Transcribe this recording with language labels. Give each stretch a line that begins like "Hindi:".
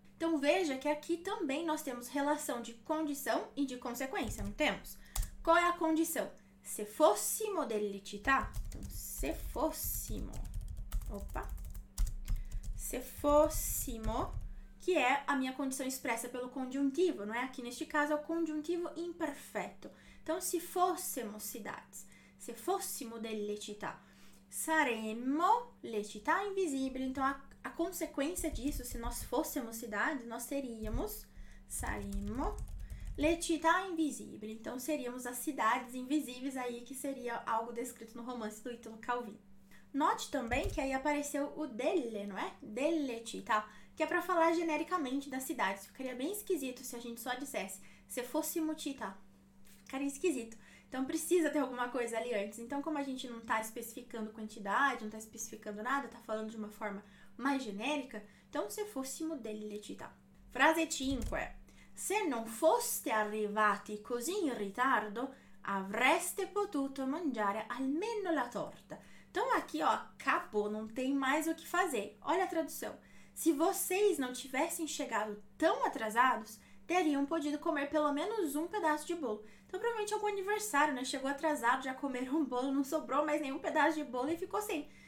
Portuguese: Então, veja que aqui também nós temos relação de condição e de consequência, não temos? Qual é a condição? Se
Italian: fôssimo delle città,
Portuguese: então, se fôssimo, opa, se fôssimo, que é a minha condição expressa pelo congiuntivo, não é? Aqui neste caso é o congiuntivo imperfeito. Então, se fossemos cidades,
Italian: se fossimo delle città, saremmo le città invisibili.
Portuguese: Então, a conseguência disso, se nós fossemos cidades, nós seríamos,
Italian: saremmo le città invisibili.
Portuguese: Então, seríamos as cidades invisíveis aí, que seria algo descrito no romance do Italo Calvino. Note também que aí apareceu o delle, não é?
Italian: Delle città,
Portuguese: que é para falar genericamente das cidades. Ficaria bem esquisito se a gente só dissesse
Italian: se fossimo città.
Portuguese: Ficaria esquisito. Então precisa ter alguma coisa ali antes. Então, como a gente não está especificando quantidade, não está especificando nada, está falando de uma forma mais genérica, então
Italian: se fossimo delle città. Frase 5 é: se non foste arrivati così in ritardo, avreste potuto mangiare almeno la torta.
Portuguese: Então aqui, ó, acabou, não tem mais o que fazer. Olha a tradução. Se vocês não tivessem chegado tão atrasados, teriam podido comer pelo menos um pedaço de bolo. Então, provavelmente algum aniversário, né? Chegou atrasado, já comeram um bolo, não sobrou mais nenhum pedaço de bolo e ficou sem.